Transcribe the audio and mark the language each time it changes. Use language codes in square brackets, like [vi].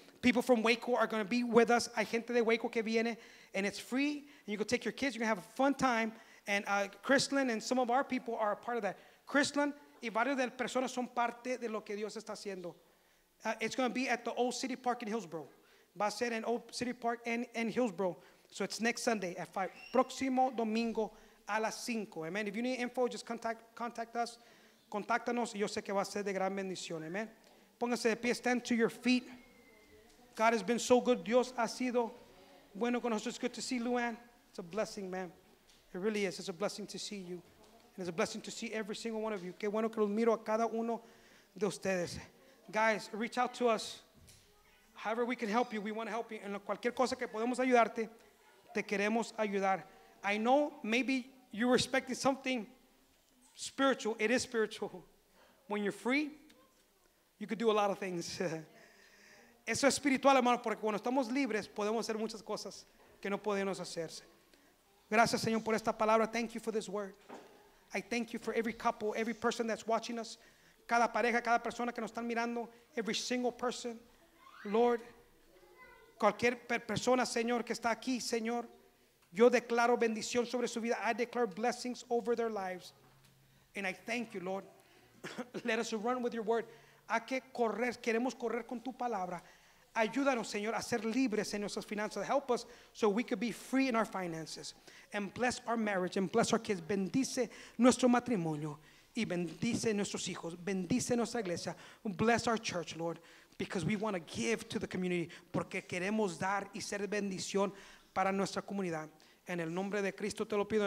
[en] People from Waco are going to be with us, [es] hay gente de Waco que viene, [en] and it's free, and you can take your kids, you're going to have a fun time. And Crislin and some of our people are a part of that. [es] Crislin y varias de las personas son parte de lo que Dios está haciendo. [en] It's going to be at the Old City Park in Hillsborough. [es] Va a ser en [en] Old City Park in Hillsborough. So it's next Sunday at 5. [es] Próximo domingo a las 5. [en] Amen. If you need info, just contact us. [es] Contáctanos. Yo sé que va a ser de gran bendición. [en] Amen. [es] Pónganse de pie. [en] Stand to your feet. God has been so good. [es] Dios ha sido bueno con nosotros. [en] It's good to see Luann. It's a blessing, man. It really is. It's a blessing to see you. And it's a blessing to see every single one of you. [es] Qué bueno que los miro a cada uno de ustedes. [en] Guys, reach out to us. However we can help you, we want to help you. [es] En cualquier cosa que podemos ayudarte, te queremos ayudar. [en] I know maybe you're expecting something spiritual. It is spiritual. When you're free, you could do a lot of things. [es] Eso es espiritual, hermano, porque cuando estamos libres, podemos hacer muchas cosas que no podemos hacerse. Gracias, Señor, por esta palabra. [en] Thank you for this word. I thank you for every couple, every person that's watching us. [es] Cada pareja, cada persona que nos están mirando. [en] Every single person. [es] Lord, cualquier persona, Señor, que está aquí, Señor, yo declaro bendición sobre su vida. [en] I declare blessings over their lives. And I thank you, Lord. Let us run with your word. [es] Hay que correr. Queremos correr con tu palabra. Ayúdanos, Señor, a ser libres en nuestras finanzas. [en] Help us so we could be free in our finances. And bless our marriage and bless our kids. [es] Bendice nuestro matrimonio y bendice nuestros hijos. Bendice nuestra iglesia. [en] Bless our church, Lord, because we want to give to the community. [es] Porque queremos dar y ser bendición para nuestra comunidad. En el nombre de Cristo te lo pido.